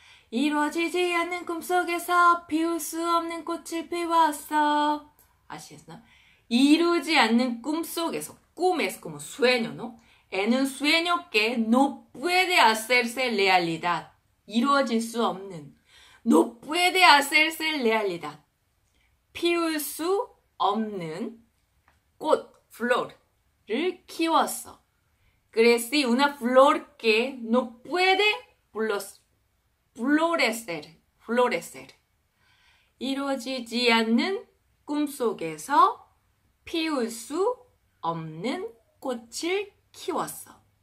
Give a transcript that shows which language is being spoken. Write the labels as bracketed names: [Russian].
[Korean] 이루어지지 않는 꿈속에서 피울 수 없는 꽃을 피웠어 아시겠어? 이루지 않는 꿈속에서 꿈에서 [Spanish] como sueño, ¿no? En un sueño que no puede hacerse realidad [Korean] 이루어질 수 없는 [Spanish] No puede hacerse realidad [Korean] 피울 수 없는 꽃, [Spanish] flor를 키웠어 Crecí una flor que no puede florecer, florecer. [Korean] 이루어지지 않는 꿈속에서 피울 수 없는 꽃을 키웠어.